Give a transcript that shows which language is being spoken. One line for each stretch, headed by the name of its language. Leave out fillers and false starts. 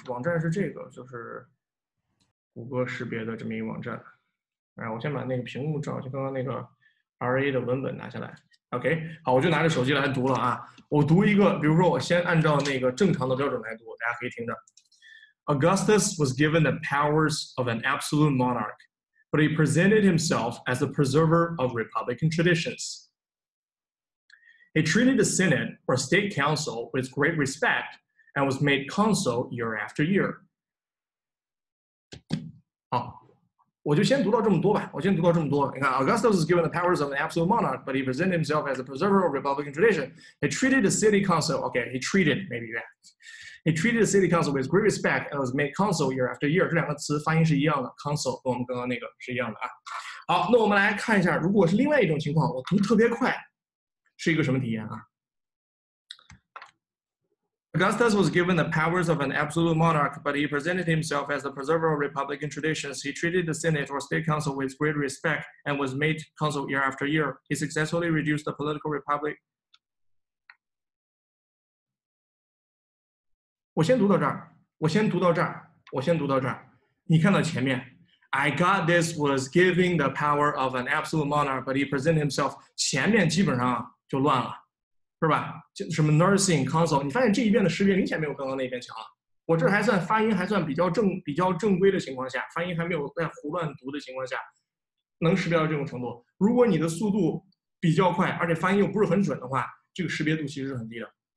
Chinese: 网站是这个，就是谷歌识别的这么一个网站。哎，我先把那个屏幕照，就刚刚那个 RA 的文本拿下来。 OK， 好，我就拿着手机来读了啊。我读一个，比如说我先按照那个正常的标准来读，大家可以听着。
English: Augustus was given the powers of an absolute monarch, but he presented himself as a preserver of republican traditions. He treated the Senate or state council with great respect and was made consul year after year.
Chinese: 好，我就先读到这么多吧。我先读到这么多。你看
English: ，Augustus was given the powers of an absolute monarch, but he presented himself as a preserver of republican tradition. He treated the city council, okay, he treated maybe that. He treated the city council with great respect and was made consul year after year.
Chinese: 这两个词发音是一样的 ，consul 跟我们刚刚那个是一样的啊。好，那我们来看一下，如果是另外一种情况，我读特别快。是一个什么体验啊
English: ？Augustus was given the powers of an absolute monarch, but he presented himself as the preserver of republican traditions. He treated the Senate or state council with great respect and was made consul year after year. He successfully reduced the political republic.
Chinese: 我先读到这儿，我先读到这儿，我先读到这儿。你看到前面。
English: I got this was giving the power of an absolute monarch, but he presented himself.
Chinese: 前面基本上就乱了，是吧？什么
English: nursing console，
Chinese: 你发现这一遍的识别明显没有刚刚那边强了。我这还算发音还算比较正规的情况下，发音还没有在胡乱读的情况下，能识别到这种程度。如果你的速度比较快，而且发音又不是很准的话，这个识别度其实是很低的。